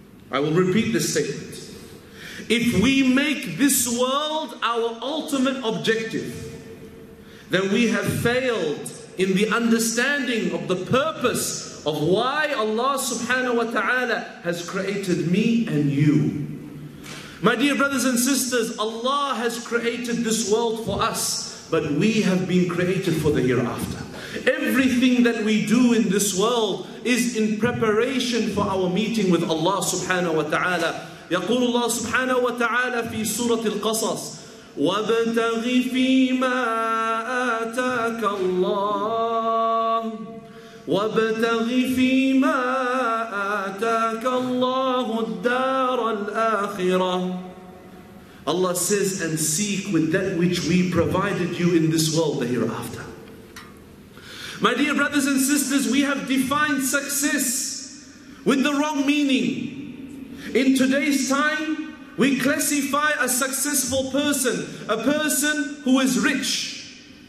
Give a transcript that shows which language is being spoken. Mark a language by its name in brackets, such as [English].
[English] I will repeat this statement. If we make this world our ultimate objective, then we have failed in the understanding of the purpose of why Allah subhanahu wa ta'ala has created me and you. My dear brothers and sisters, Allah has created this world for us, but we have been created for the hereafter. Everything that we do in this world is in preparation for our meeting with Allah subhanahu wa ta'ala. [Arabic] يقول الله سبحانه وتعالى في سورة القصص وابتغ فيما آتاك الله وابتغ فيما آتاك الله الدار الآخرة. [English] Allah says, and seek with that which we provided you in this world the hereafter. My dear brothers and sisters, we have defined success with the wrong meaning. In today's time, we classify a successful person, a person who is rich.